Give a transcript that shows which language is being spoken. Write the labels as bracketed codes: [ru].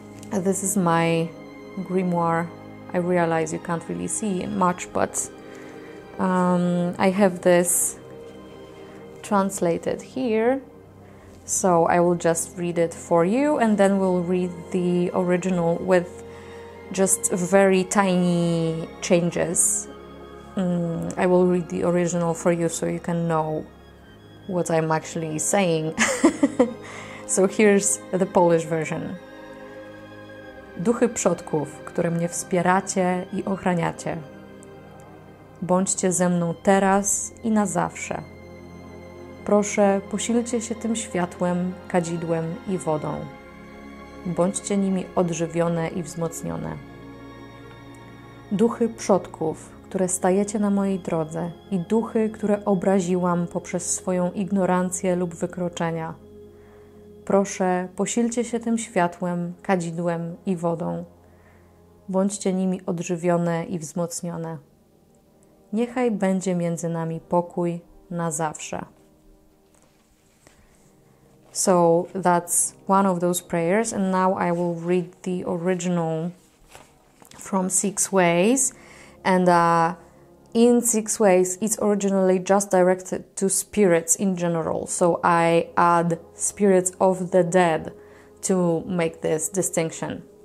[en] This is my grimoire. I realize you can't really see much, but I have this translated here, so I will just read it for you, and then we'll read the original with just very tiny changes. I will read the original for you so you can know what I'm actually saying. So here's the Polish version. [pl] Duchy przodków, które mnie wspieracie i ochraniacie, bądźcie ze mną teraz i na zawsze. Proszę, posilcie się tym światłem, kadzidłem i wodą. Bądźcie nimi odżywione i wzmocnione. Duchy przodków, które stajecie na mojej drodze i duchy, które obraziłam poprzez swoją ignorancję lub wykroczenia. Proszę, posilcie się tym światłem, kadzidłem i wodą. Bądźcie nimi odżywione i wzmocnione. Niechaj będzie między nami pokój na zawsze. [en] So that's one of those prayers, and now I will read the original from Six Ways. And in Six Ways, it's originally just directed to spirits in general. So I add spirits of the dead to make this distinction.